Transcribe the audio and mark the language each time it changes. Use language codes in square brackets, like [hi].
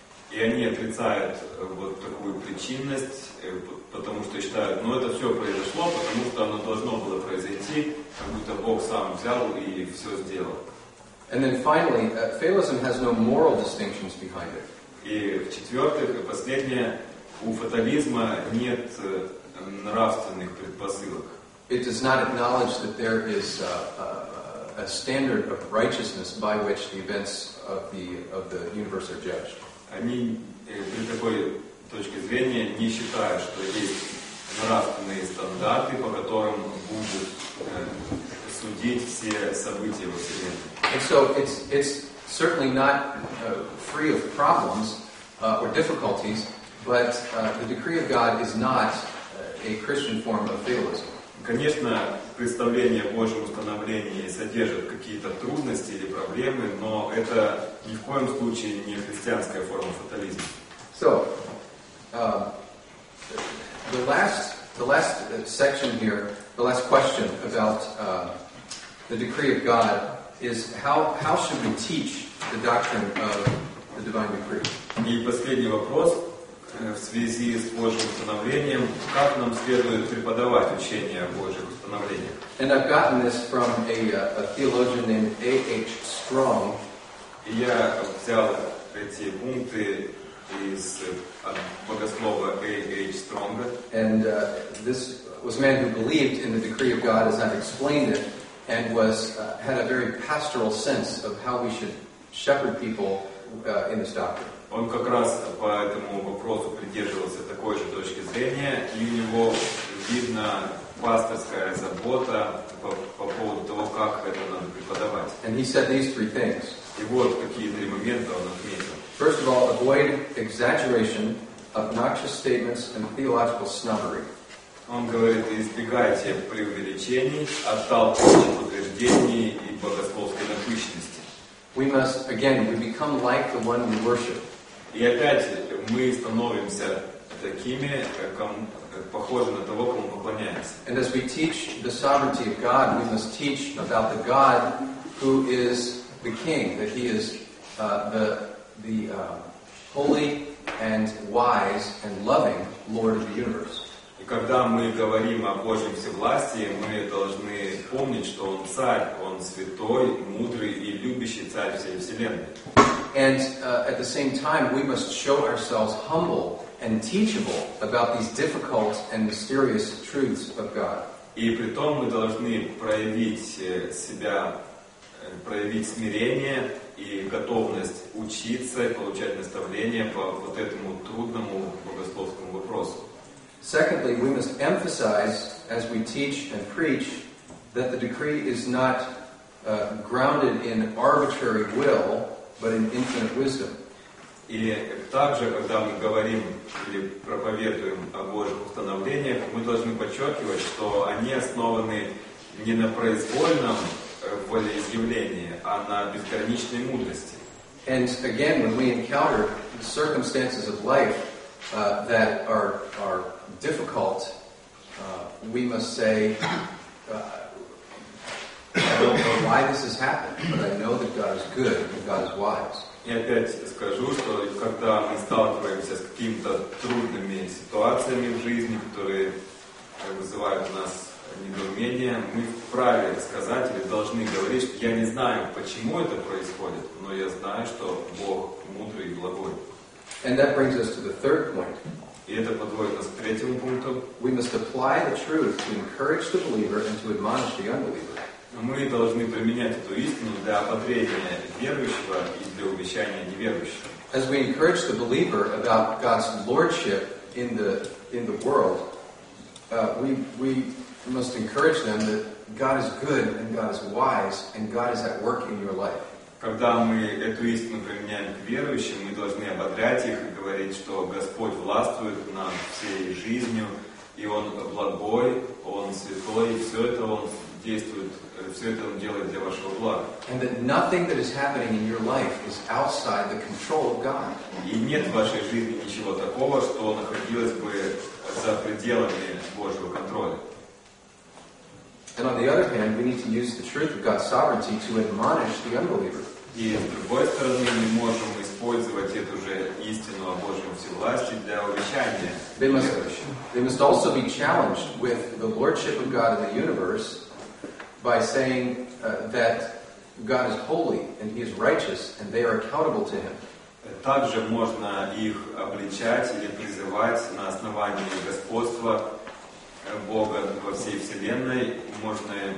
[ru] И они отрицают вот такую причинность, потому что считают, ну это все произошло, потому что оно должно было произойти, как будто Бог сам взял и все сделал. [en] And then finally, fatalism has no moral distinctions behind it. [ru] И в-четвертых, последнее, у фатализма нет нравственных предпосылок. [en] It does not acknowledge that there is a standard of righteousness by which the events of the universe are judged. [ru] Они при такой точке зрения не считают, что есть нравственные стандарты, по которым будут судить все события во Вселенной. [en] And so it's certainly not free of problems or difficulties, but the decree of God is not a Christian form of fatalism. [ru] Конечно, представление о Божьем установлении содержит какие-то трудности или проблемы, но это ни в коем случае не христианская форма фатализма. [en] So, the last section here, the last question about the decree of God is how should we teach the doctrine of the divine decree? [ru] И последний вопрос. В связи с Божьим установлением, как нам следует преподавать учение о Божьих установлениях? [en] And I've gotten this from a theologian named A.H. Strong. [ru] И я взял эти пункты из богослова A.H. Strong. [en] And this was a man who believed in the decree of God as I've explained it, and was had a very pastoral sense of how we should shepherd people in this doctrine. [ru] Он как раз по этому вопросу придерживался такой же точки зрения, и у него видна пасторская забота по поводу того, как это надо преподавать. [en] And he said these three things. [ru] И вот какие три момента он отметил. [en] First of all, avoid exaggeration, obnoxious statements, and theological snobbery. [ru] Он говорит, избегайте преувеличений, отталкивающих утверждений и богословской напыщенности. [en] We must, again, we become like the one we worship. [ru] И опять мы становимся такими, как похожи на того, кому поклоняемся. [en] And as we teach the sovereignty of God, we must teach about the God who is the King, that He is the holy and wise and loving Lord of the universe. [ru] И когда мы говорим о Божьем всевластии, мы должны помнить, что Он Царь, Он Святой, Мудрый и Любящий Царь всей Вселенной. [en] And at the same time, we must show ourselves humble and teachable about these difficult and mysterious truths of God. [ru] И при том мы должны проявить себя, проявить смирение и готовность учиться и получать наставления по вот этому трудному богословскому вопросу. [en] Secondly, we must emphasize, as we teach and preach, that the decree is not grounded in arbitrary will, but in infinite wisdom. [ru] И также, когда мы говорим или проповедуем о Божьих установлениях, мы должны подчеркивать, что они основаны не на произвольном волеизъявлении, а на бесконечной мудрости. [en] And again, when we encounter circumstances of life that are difficult, we must say, I don't know why this has happened, but I know that God is good and God is wise. [ru] И опять скажу, что когда мы сталкиваемся с какими-то трудными ситуациями в жизни, которые вызывают у нас недоумение, мы вправе сказать или должны говорить, что я не знаю, почему это происходит, но я знаю, что Бог мудрый и благой. [en] And that brings us to the third point. [ru] И это подводит нас к третьему пункту. [en] We must apply the truth to encourage the believer and to admonish the unbeliever. [ru] Мы должны применять эту истину для ободрения верующего и для увещания неверующего. [en] As we encourage the believer about God's lordship in the world, we must encourage them that God is good and God is wise and God is at work in your life. [ru] Когда мы эту истину применяем к верующим, мы должны ободрять их и говорить, что Господь властвует над всей жизнью, и Он благой, Он святой, и все это Он действует. Все это он делает для вашего блага. [en] And that nothing that is happening in your life is outside the control of God. [ru] И нет в вашей жизни ничего такого, что находилось бы за пределами Божьего контроля. [en] And on the other hand, we need to use the truth of God's sovereignty to admonish the unbeliever. [ru] И с другой стороны, мы можем использовать эту же истину о Божьем всевластии для увещания. [en] They must also be challenged with the lordship of God in the universe. By saying that God is holy and He is righteous and they are accountable to Him. [ru] Также можно их обличать или призывать на основании господства Бога во всей вселенной. Можно